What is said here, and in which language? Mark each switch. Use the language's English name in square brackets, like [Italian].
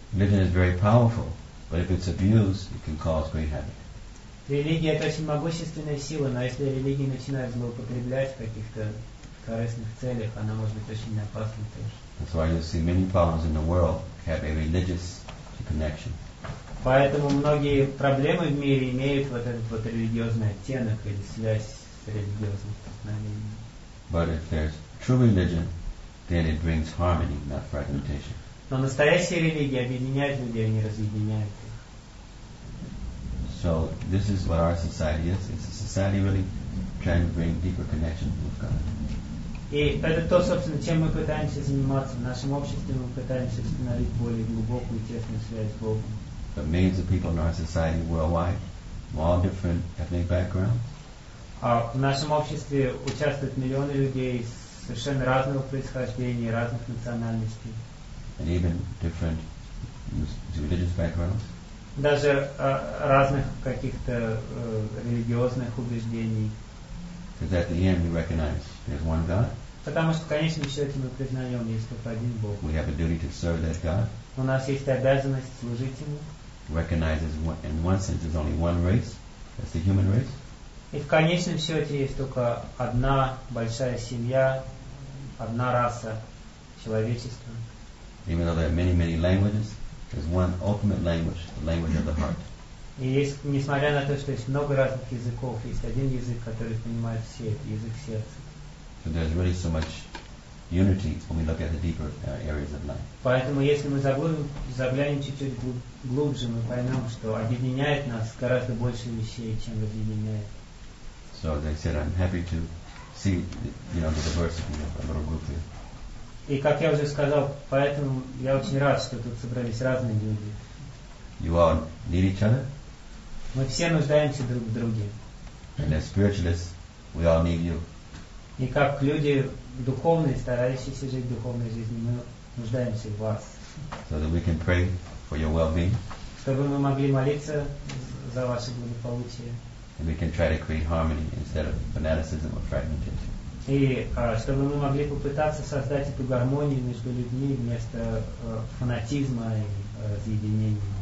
[English] Religion is very powerful, but if it's abused, it can cause great havoc. [Russian] Религия – это очень могущественная сила, но если религия начинает злоупотреблять в каких-то корыстных целях, она может быть очень опасной тоже. [English] That's why you see many problems in the world have a religious connection. [Russian] Поэтому многие проблемы в мире имеют вот этот вот религиозный оттенок или связь с религиозным сознанием. [English] But if there's true religion, then it brings harmony, not fragmentation. [Russian] Но настоящая религия объединяет людей, а не разъединяет их. [English] So this is what our society is. It's a society really trying to bring deeper connection with God. [Russian] И это то, собственно, чем мы пытаемся заниматься. В нашем обществе мы пытаемся установить более глубокую и тесную связь с Богом. [English] The millions of people in our society worldwide, all different ethnic backgrounds. [Russian] В нашем обществе участвуют миллионы людей из совершенно разного происхождения, разных национальностей. [English] And even different religious backgrounds. [Russian] Даже разных каких-то религиозных убеждений. [English] Because at the end we recognize there's one God. [Russian] Потому что в конечном счете мы признаем, есть только один Бог. [English] We have a duty to serve that God. [Russian] У нас есть обязанность служить Ему. [English] Recognizes one, in one sense there's only one race, that's the human race. [Russian] И в конечном счете есть только одна большая семья, одна раса, человечество. [English] Even though there are many, many languages, there's one ultimate language, the language of the heart. [Russian] И есть, несмотря на то, что есть много разных языков, есть один язык, который понимают все, это язык сердца. [English] So there's really so much unity when we look at the deeper areas of life. [Russian] Поэтому если мы заглянем чуть-чуть глубже, мы поймем, что объединяет нас гораздо больше вещей, чем объединяет. [English] So as I said, I'm happy to see the diversity of our group here. [Russian] И как я уже сказал, поэтому я очень рад, что тут собрались разные люди. [English] You all need each other. [Russian] Мы все нуждаемся друг в друге. [English] And as spiritualists, we all need you. [Russian] И как люди духовные, старающиеся жить духовной жизнью, мы нуждаемся в вас. [English] So that we can pray for your well-being. [Russian] Чтобы мы могли молиться за ваше благополучие. [English] And we can try to create harmony instead of fanaticism or fragmentation. [Russian] И чтобы мы могли попытаться создать эту гармонию между людьми вместо фанатизма и разъединения.